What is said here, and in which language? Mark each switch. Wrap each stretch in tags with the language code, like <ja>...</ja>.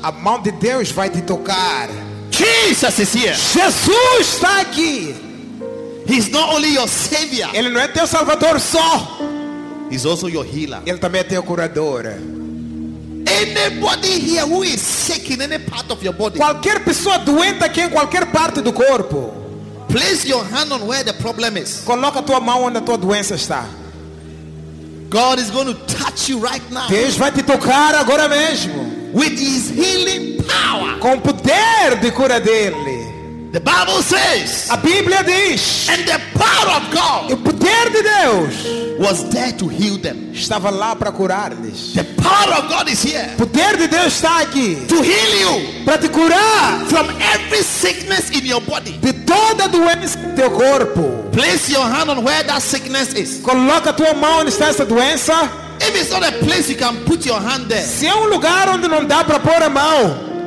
<pt>A mão de Deus vai te tocar.</pt> <en>Jesus is here.</en> <pt>Jesus está aqui.</pt> <en>He's not only your savior.</en> <pt>Ele não é teu salvador só.</pt> <en>He's also your healer.</en> <pt>Ele também é teu curador.</pt> <en>Anybody here who is sick in any part of your body?</en> <pt>Qualquer pessoa doente aqui em qualquer parte do corpo.</pt> <en>Place your hand on where the problem is.</en> <pt>Coloca tua mão onde a tua doença está.</pt> <en>God is going to touch you right now.</en> <pt>Deus vai te tocar agora mesmo.</pt> <en>With his healing power.</en> <pt>Com poder de cura dele.</pt> <en>The Bible says,</en> <pt>a Bíblia diz,</pt> <en>and the power of God,</en> <pt>o poder de Deus,</pt> <en>was there to heal them.</en> <pt>Estava lá para curar-lhes.</pt> <en>The power of God is here.</en> <pt>O poder de Deus está aqui.</pt> <en>To heal you.</en> <pt>Para te curar.</pt> <en>From every sickness in your body.</en> <pt>De toda doença do teu corpo.</pt> <en>Place your hand on where that sickness is.</en> <pt>Coloca a tua mão onde está essa doença.</pt> <en>If it's not a place you can put your hand there.</en> <pt>Se é lugar onde não dá para pôr a mão.</pt>